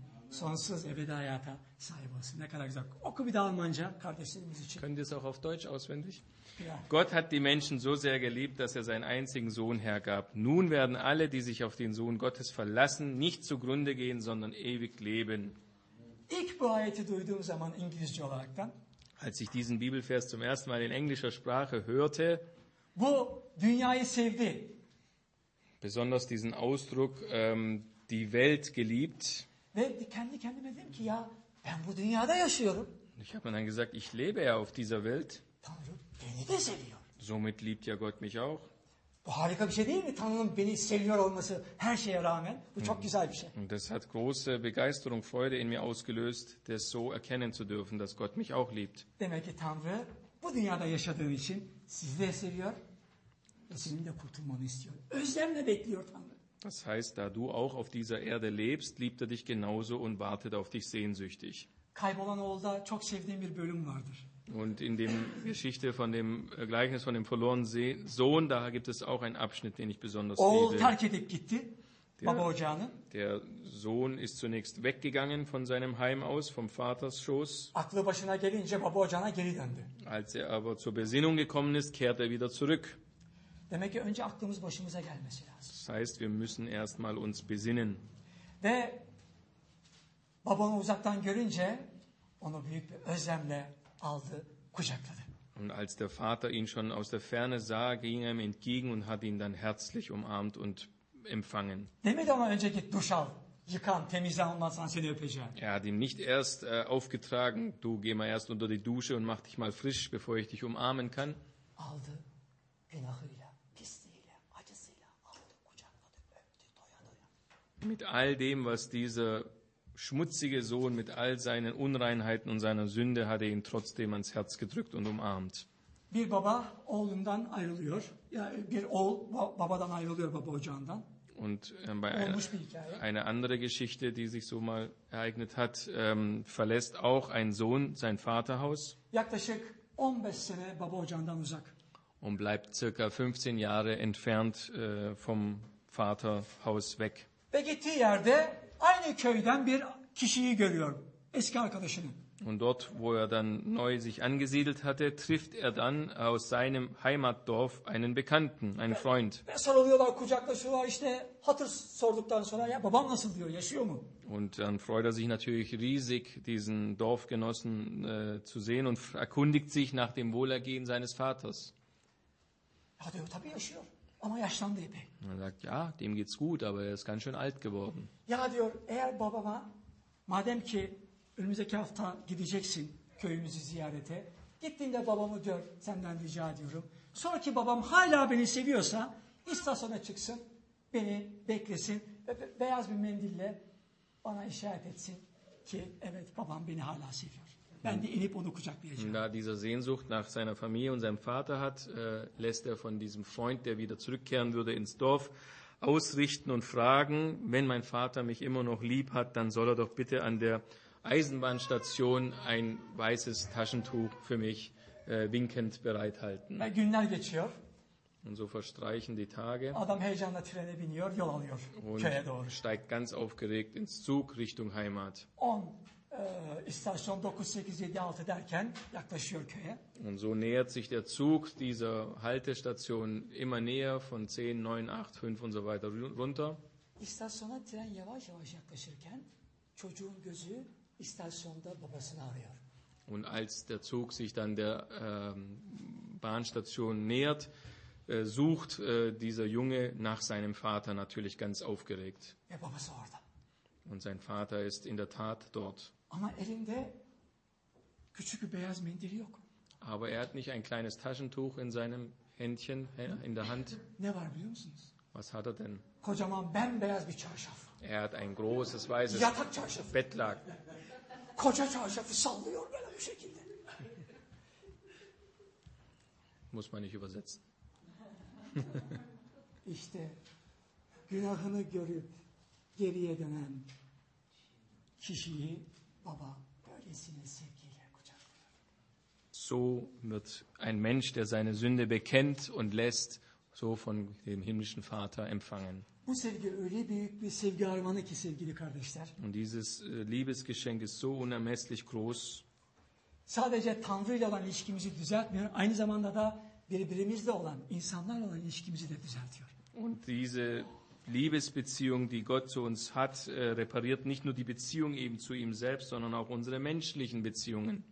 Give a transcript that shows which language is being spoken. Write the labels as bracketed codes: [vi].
[tr] Sonsuz ebedi hayata sahip olsun. Ne kadar güzel. Oku bir daha Almanca kardeşlerimiz için. [de] Könnt ihr es auch auf Deutsch auswendig? Ja. Gott hat die Menschen so sehr geliebt, dass er seinen einzigen Sohn hergab. Nun werden alle, die sich auf den Sohn Gottes verlassen, nicht zugrunde gehen, sondern ewig leben. [tr] İlk bu ayeti duyduğum zaman İngilizce olarak [de] dann. Als ich diesen Bibelvers zum ersten Mal in englischer Sprache hörte. [tr] Bu dünyayı sevdi. [de] Besonders diesen Ausdruck, die Welt geliebt. [tr] Ve kendi kendime dedim ki ya ben bu dünyada yaşıyorum. [de] Ich habe mir dann gesagt, ich lebe ja auf dieser Welt. [tr] Tanrı beni de seviyor. [de] Somit liebt ja Gott mich auch. [tr] Bu harika bir şey değil mi? Tanrı'nın beni seviyor olması her şeye rağmen. Bu çok güzel bir şey. [de] Das hat große Begeisterung, Freude in mir ausgelöst, das so erkennen zu dürfen, dass Gott mich auch liebt. [tr] Demek ki Tanrı bu dünyada yaşadığın için sizi de seviyor ve senin de kurtulmanı istiyor. Özlemle bekliyor Tanrı. [de] Das heißt, da du auch auf dieser Erde lebst, liebt er dich genauso und wartet auf dich sehnsüchtig. [tr] Kaybolan oğulda çok sevdiğim bir bölüm vardır. [de] Und in dem Geschichte von dem Gleichnis von dem verlorenen Sohn, da gibt es auch einen Abschnitt, den ich besonders [tr] oğul [de] liebe. [tr] Oğul terk edip gitti. [de] Der, [tr] baba ocağını. [de] Der Sohn ist zunächst weggegangen von seinem Heim aus, vom Vaters Schoß. [tr] Aklı başına gelince baba ocağına geri döndü. [de] Als er aber zur Besinnung gekommen ist, kehrt er wieder zurück. [tr] Demek ki önce aklımız başımıza gelmesi lazım. [de] Das heißt, wir müssen erstmal uns besinnen. [tr] Ve babanı uzaktan görünce onu büyük bir özlemle aldı, kucakladı. [de] Und als der Vater ihn schon aus der Ferne sah, ging er ihm entgegen und hat ihn dann herzlich umarmt und empfangen. [tr] Demedi ona önce git duş al, yıkan, temizlen, ondan sonra seni öpeceğim. [de] Er hat ihm nicht erst aufgetragen, du geh mal erst unter die Dusche und mach dich mal frisch, bevor ich dich umarmen kann. [tr] Aldı günahıyla, pisliğiyle, acısıyla aldı, kucakladı, öptü, doya doya. [de] Mit all dem, was dieser schmutzige Sohn mit all seinen Unreinheiten und seiner Sünde hat er ihn trotzdem ans Herz gedrückt und umarmt. [tr] Bir baba oğlundan ayrılıyor. Ya yani bir oğul babadan ayrılıyor baba ocağından. [de] Und bei eine andere Geschichte, die sich so mal ereignet hat, verlässt auch ein Sohn sein Vaterhaus. [tr] Yaklaşık 15 sene baba ocağından uzak. [de] Und bleibt circa 15 Jahre entfernt vom Vaterhaus weg. [tr] Ve gittiği yerde aynı köyden bir kişiyi görüyor, eski arkadaşını. [de] Und dort, wo er dann neu sich angesiedelt hatte, trifft er dann aus seinem Heimatdorf einen Bekannten, einen Freund. [tr] Ve sarılıyorlar, kucaklaşıyorlar, işte hatır sorduktan sonra, ya babam nasıl diyor, yaşıyor mu? [de] Und dann freut er sich natürlich riesig, diesen Dorfgenossen zu sehen und erkundigt sich nach dem Wohlergehen seines Vaters. [tr] Ja, diyor, tabii yaşıyor. Ama yaşlandı epey. [de] Er sagt, ja, dem geht's gut, aber er ist ganz schön alt geworden. [tr] Ya diyor, eğer babama, madem ki önümüzdeki hafta gideceksin köyümüzü ziyarete, gittiğinde babamı diyor, senden rica ediyorum. Sonra ki babam hala beni seviyorsa, istasyona çıksın, beni beklesin ve beyaz bir mendille bana işaret etsin ki, evet babam beni hala seviyor. Ben de inip onu kucaklayacağım. [de] Da dieser Sehnsucht nach seiner Familie und seinem Vater hat, lässt er von diesem Freund, der wieder zurückkehren würde, ins Dorf ausrichten und fragen, wenn mein Vater mich immer noch lieb hat, dann soll er doch bitte an der Eisenbahnstation ein weißes Taschentuch für mich winkend bereithalten. [tr] Ve günler geçiyor. [de] Und so verstreichen die Tage. [tr] Adam heyecanla trene biniyor, yol alıyor [de] und [tr] köye doğru. [de] Steigt ganz aufgeregt ins Zug Richtung Heimat. [tr] İstasyon 9, 8, 7, 6 derken yaklaşıyor köye. [de] Und so nähert sich der Zug dieser Haltestation immer näher von 10, 9, 8, 5 und so weiter runter. [tr] İstasyona tren yavaş yavaş yaklaşırken çocuğun gözü istasyonda babasını arıyor. [de] Und als der Zug sich dann der Bahnstation nähert, sucht dieser Junge nach seinem Vater natürlich ganz aufgeregt. [tr] Ja, babası orada. [de] Und sein Vater ist in der Tat dort. [tr] Ama elinde küçük bir beyaz mendil yok. [de] Aber er hat nicht ein kleines Taschentuch in seinem Händchen, in der Hand. [tr] Ne var biliyor musunuz? [de] Was hat er denn? [tr] Kocaman bembeyaz bir çarşaf. [de] Er hat ein großes weißes [tr] yatak çarşafı. [de] Bettlak. [tr] Koca çarşafı sallıyor böyle bir şekilde. [de] Muss man nicht übersetzen. [tr] İşte günahını görüp geriye dönen kişiyi baba böylesine sevgiyle kucaklıyor. [de] So wird ein Mensch, der seine Sünde bekennt und lässt, so von dem himmlischen Vater empfangen. [tr] Bu sevgi öyle büyük bir sevgi armağanı ki sevgili kardeşler. [de] Und dieses Liebesgeschenk ist so unermesslich groß. [tr] Sadece Tanrı'yla olan ilişkimizi düzeltmiyor, aynı zamanda da birbirimizle olan, insanlarla olan ilişkimizi de düzeltiyor. [de] Und diese Liebesbeziehung, die Gott zu uns hat, repariert nicht nur die Beziehung eben zu ihm selbst, sondern auch unsere menschlichen Beziehungen.